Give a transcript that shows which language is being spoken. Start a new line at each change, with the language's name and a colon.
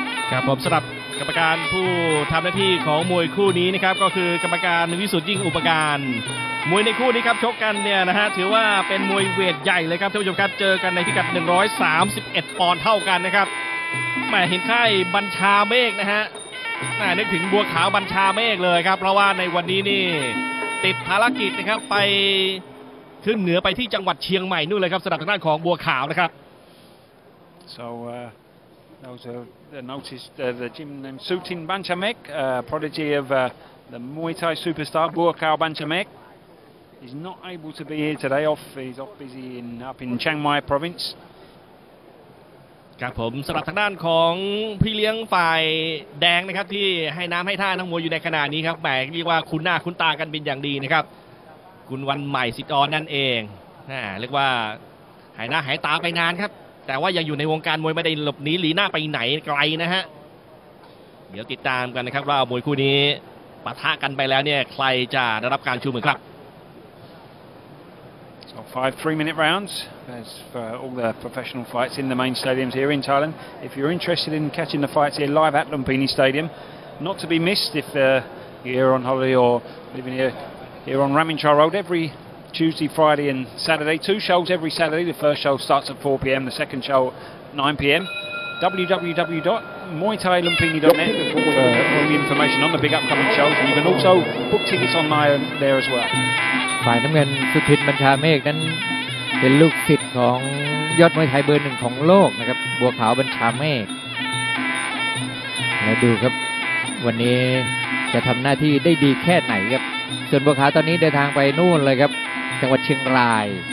Thai: ครับผมสำหรับกรรมการผู้ทำหน้าที่ของมวยคู่นี้นะครับก็คือกรรมการวิสุทธิ์ยิ่งอุปการมวยในคู่นี้ครับชกกันเนี่ยนะฮะถือว่าเป็นมวยเวทใหญ่เลยครับท่านผู้ชมครับเจอกันในพิกัด131ปอนด์เท่ากันนะครับแหมเห็นค่ายบัญชาเมฆนะฮะแหมนึกถึงบัวขาวบัญชาเมฆเลยครับเพราะว่าในวันนี้นี่ติดภารกิจนะครับไปขึ้นเหนือไปที่จังหวัดเชียงใหม่นู่นเลยครับสำหรับทางด้านของบัวขาวนะครับ
English: so the notice the gym named Sutin Bantamek prodigy of the Muay Thai superstar Bua Khao Bantamek he's not able to be here today off he's off busy in up in Chiang Mai province
Thai: ครับผมสำหรับทางด้านของพี่เลี้ยงฝ่ายแดงนะครับที่ให้น้ำให้ท่าทั้งมวยอยู่ในขณะนี้ครับแหมเรียกว่าคุ้นหน้าคุ้นตากันเป็นอย่างดีนะครับคุณวันใหม่สิทธิ์ออนนั่นเองเรียกว่าหายหน้าหายตาไปนานครับแต่ว่ายังอยู่ในวงการมวยไม่ได้หลบหนีหลีหน้าไปไหนไกลนะฮะเดี๋ยวติดตามกันนะครับว่ามวยคู่นี้ปะทะกันไปแล้วเนี่ยใครจะได้รับการชูมือครับ
English: So 5-3 minute rounds as for all the professional fights in the main stadiums here in Thailand if you're interested in catching the fights here live at Lumpini Stadium not to be missed if you're on holiday or living hereHere on Ramintrar Road every Tuesday, Friday and Saturday. Two shows every Saturday. The first show starts at 4 p.m. The second show at 9 p.m. www.muaythailumpini.net for all the information on the big upcoming shows. And you can also book tickets online there as well.
Thai: ฝ่ายน้ำเงินสุทินบัญชาเมฆนั้นเป็นลูกศิษย์ของยอดมวยไทยเบอร์หนึ่งของโลกนะครับบัวขาวบัญชาเมฆแล้วดูครับวันนี้จะทำหน้าที่ได้ดีแค่ไหนครับส่วนบัวขาวตอนนี้เดินทางไปนู่นเลยครับจังหวัดเชียงราย